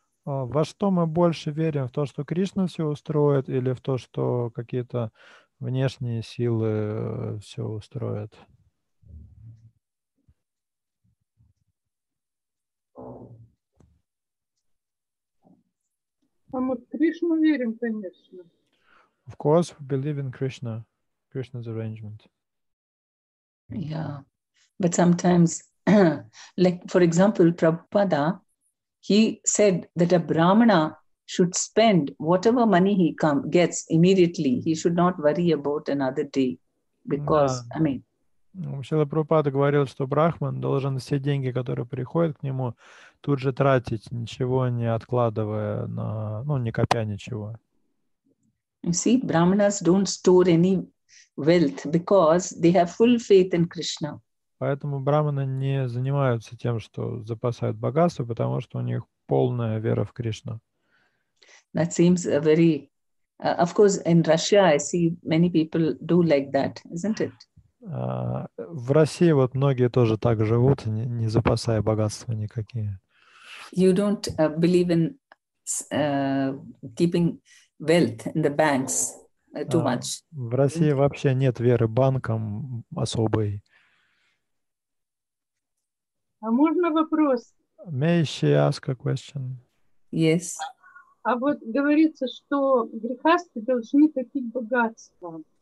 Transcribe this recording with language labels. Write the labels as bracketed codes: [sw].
[ru] Во что мы больше верим? В то, что Кришна все устроит или в то, что какие-то внешние силы все устроят? А мы в Кришну верим, конечно. [en] Of course, we believe in Krishna, Krishna's arrangement. Yeah, but sometimes, like for example, Prabhupada, he said that a brahmana should spend whatever money he gets immediately. He should not worry about another day. because, I mean, [ru] Шрила Прабхупада говорил, что брахман должен все деньги, которые приходят к нему, тут же тратить, ничего не откладывая, на, ну, не копя ничего. [en] You see, brahmanas don't store any wealth because they have full faith in Krishna. [ru] Поэтому брахманы не занимаются тем, что запасают богатство, потому что у них полная вера в Кришну. [en] That seems a very... of course, in Russia, I see many people do like that, isn't it? [ru] В России вот многие тоже так живут, не запасая богатства никакие. [en] You don't believe in keeping wealth in the banks too much. [ru] В России вообще нет веры банкам особой. А можно вопрос? [en] May she ask a question? Yes. [ru] А вот говорится, что грехасты должны копить богатство.